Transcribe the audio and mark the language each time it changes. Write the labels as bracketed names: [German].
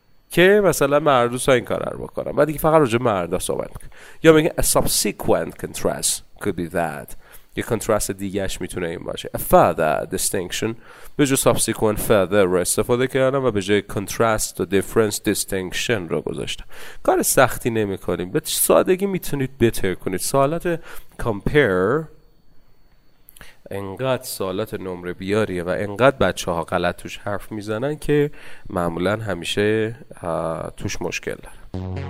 [Persian] که مثلا مرد دوستا این کار رو بکنم و دیگه فقط راجع مرد ها صحبت میکنم. یا میگه [English] a subsequent contrast could be that. [Persian] یه کنتراست دیگهش میتونه این باشه. [English] A further distinction [Persian] به جای subsequent further رو استفاده کردم و به جای contrast و difference distinction رو گذاشتم. کار سختی نمی کنیم. به سادگی میتونید بهتر کنید. سوالات compare انقدر سوالات نمره بیاریه و انقدر بچه ها غلط توش حرف میزنن که معمولا همیشه توش مشکل داره.